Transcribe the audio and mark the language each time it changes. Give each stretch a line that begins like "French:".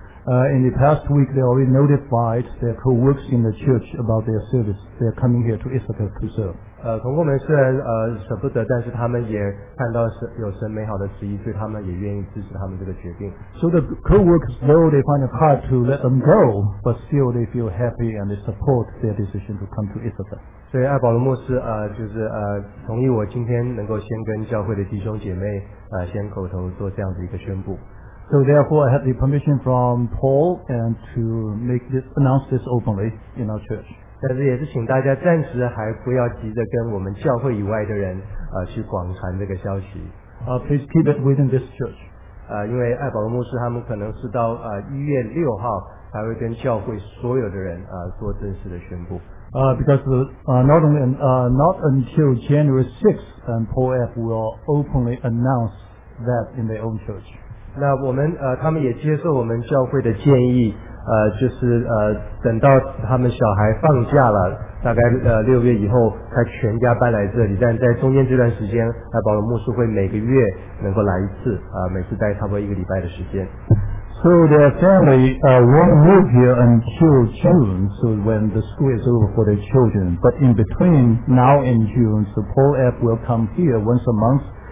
English: In the past week, they already notified their co-workers in the church about their service. They are coming here to Issachar to serve.
Chinese: 同工们虽然舍不得，但是他们也看到有神美好的旨意，所以他们也愿意支持他们这个决定。
English: So the co-workers, though they find it hard to let them go, but still they feel happy and they support their decision to come to Issachar.
Chinese: 所以艾保罗牧师同意我今天能够先跟教会的弟兄姐妹先口头做这样的一个宣布。
English: So therefore, I have the permission from Paul and to make this, announce this openly in our church.
Chinese: 但是也是请大家暂时还不要急着跟我们教会以外的人去广传这个消息。
English: Please keep it within this church.
Chinese: 因为爱保罗牧师他们可能是到1月6号才会跟教会所有的人做正式的宣布。
English: Because not until January 6th, and Paul F. will openly announce that in their own church.
Chinese: 那我们他们也接受我们教会的建议。就是等到他们小孩放假了，大概六月以后，他全家搬来这里。但在中间这段时间，保罗牧师会每个月能够来一次，每次待差不多一个礼拜的时间。
English: So their family won't move here until June, so when the school is over for their children. But in between now and June, so Paul F will come here once a month.